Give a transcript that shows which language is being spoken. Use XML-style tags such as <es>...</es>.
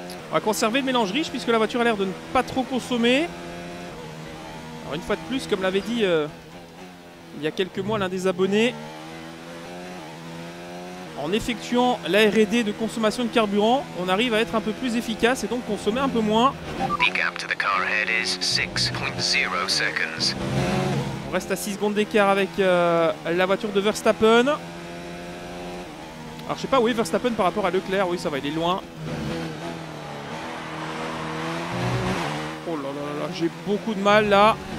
<fr>On va conserver le mélange riche puisque la voiture a l'air de ne pas trop consommer. Alors une fois de plus, comme l'avait dit il y a quelques mois l'un des abonnés, en effectuant la R&D de consommation de carburant, on arrive à être un peu plus efficace et donc consommer un peu moins.</fr> <en>The gap to the car head is 6.0 seconds.</en> <fr>On reste à 6 secondes d'écart avec la voiture de Verstappen. Alors je sais pas où est Verstappen par rapport à Leclerc, oui ça va, il est loin. Oh là là là là, j'ai beaucoup de mal là.</fr>